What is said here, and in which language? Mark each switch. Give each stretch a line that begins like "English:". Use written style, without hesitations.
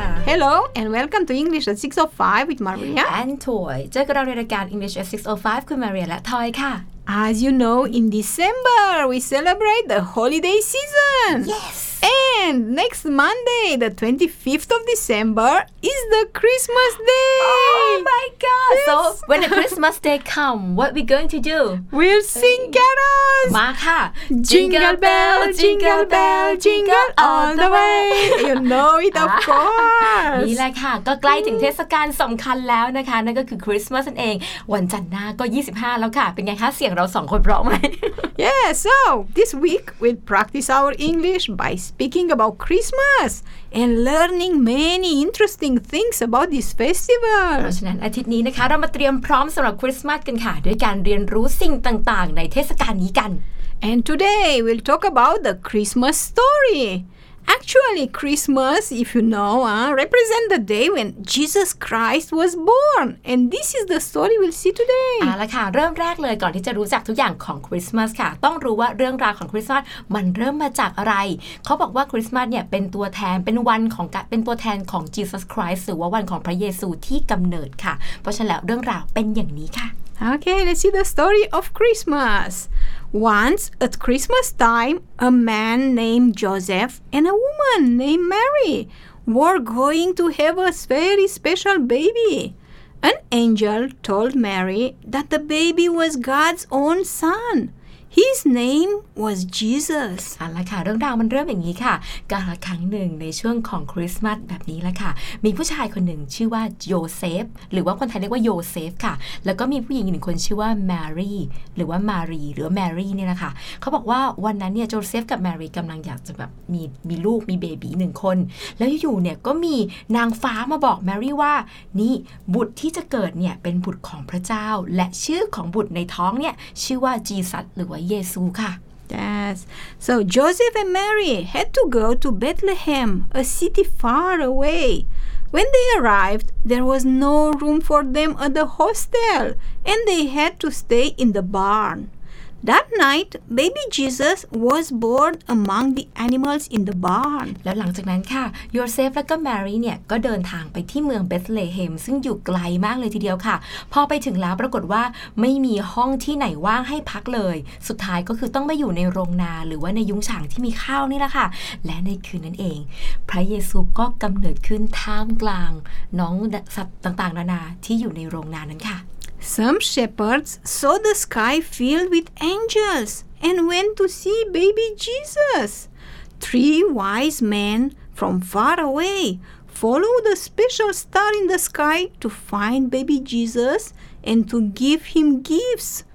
English: Hello and welcome to English at 6:05 with Maria and Toy.
Thai: เจอกันในรายการ English at 6:05 คุณมาเรียและทอยค่ะ
English: As you know, in December we celebrate the holiday season. Yes. And next Monday, the 25th of December, is the Christmas Day. Oh my God! Yes. So when the Christmas Day come, what are we going to do? We'll sing carols.
Thai: มาค่ะ
English: Jingle bell, jingle bell, jingle all the way. You know it of course.
Thai: นี่แหละค่ะก็ใกล้ถึงเทศกาลสำคัญแล้วนะคะนั่นก็คือคริสต์มาสเองวันจันทร์หน้าก็25แล้วค่ะเป็นไงคะเสียงเราสองคนพร้อมไหม
English: Yeah, so this week we'll practice our English by speaking about Christmas and learning many interesting things about this festival.
Thai: เพราะฉะนั้นอาทิตย์นี้นะคะเรามาเตรียมพร้อมสำหรับคริสต์มาสกันค่ะด้วยการเรียนรู้สิ่งต่างๆในเทศกาลนี้กัน
English: And today we'll talk about the Christmas story. Actually, Christmas, if you know, represent the day when Jesus Christ was born. And this is the story we'll see today.
Thai: เอาละค่ะเริ่มแรกเลยก่อนที่จะรู้จักทุกอย่างของคริสต์มาสค่ะต้องรู้ว่าเรื่องราวของคริสต์มาสมันเริ่มมาจากอะไรเขาบอกว่าคริสต์มาสเนี่ยเป็นตัวแทนเป็นวันของการเป็นตัวแทนของ Jesus Christ หรือว่าวันของพระเยซูที่กำเนิดค่ะเพราะฉะนั้นเรื่องราวเป็นอย่างนี้ค่ ะ
English: Okay, let's see the story of Christmas. Once, at Christmas time, a man named Joseph and a woman named Mary were going to have a very special baby. An angel told Mary that the baby was God's own son. His name was Jesus.
Thai: อะไรค่ะเรื่องราวมันเริ่มอย่างนี้ค่ะการละครั้งหนึ่งในช่วงของคริสต์มาสแบบนี้แหละค่ะมีผู้ชายคนหนึ่งชื่อว่าโยเซฟหรือว่าคนไทยเรียกว่าโยเซฟค่ะแล้วก็มีผู้หญิงหนึ่งคนชื่อว่าแมรี่หรือว่ามารีหรือแมรี่เนี่ยนะคะเขาบอกว่าวันนั้นเนี่ยโยเซฟกับแมรี่กำลังอยากจะแบบมีลูกมีเบบี1คนแล้วอยู่ๆเนี่ยก็มีนางฟ้ามาบอกแมรี่ว่านี่บุตรที่จะเกิดเนี่ยเป็นบุตรของพระเจ้าและชื่อของบุตรในท้องเนี่ยชื่อว่าจีสัสหรือ
English: Yes. So Joseph and Mary had to go to Bethlehem, a city far away. When they arrived, there was no room for them at the hostel, and they had to stay in the barn. That night, baby Jesus was born among the animals in the barn.
Thai: แล้วหลังจากนั้นค่ะ Joseph และก็ Mary เนี่ยก็เดินทางไปที่เมืองเบธเลเฮมซึ่งอยู่ไกลมากเลยทีเดียวค่ะพอไปถึงแล้วปรากฏว่าไม่มีห้องที่ไหนว่างให้พักเลยสุดท้ายก็คือต้องไปอยู่ในโรงนาหรือว่าในยุ้งฉางที่มีข้าวนี่แหละค่ะและในคืนนั้นเองพระเยซูก็กำเนิดขึ้นท่ามกลางน้องสัตว์ต่างๆนานาที่อยู่ในโรงนานั้นค่ะ
English: Some shepherds saw the sky filled with angels and went to see baby Jesus. Three wise men from far away followed a special star in the sky to find baby Jesus and to give him gifts.